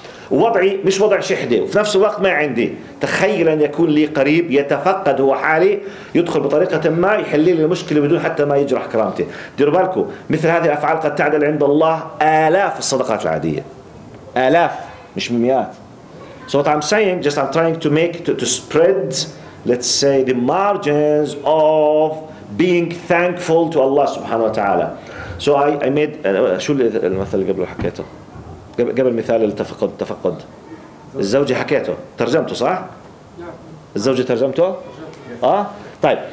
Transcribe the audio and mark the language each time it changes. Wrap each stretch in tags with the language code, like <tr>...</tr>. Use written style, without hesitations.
<ar>وضعي مش وضع شحدة وفي نفس الوقت ما عندي. تخيل أن يكون لي قريب يتفقد هو حالي, يدخل بطريقة ما يحل لي المشكلة بدون حتى ما يجرح كرامتي. ديروا بالكم مثل هذه الأفعال قد تعدل عند الله آلاف الصدقات العادية. آلاف مش مئات.</ar> <en>So what I'm saying, just I'm trying to make to spread, let's say, the margins of being thankful to Allah subhanahu wa ta'ala. So I made</en> <ar>شو المثل اللي قبله حكيته؟ قبل مثال التفقد, تفقد الزوجة حكيته, ترجمته صح؟ الزوجة ترجمته؟ طيب.</ar>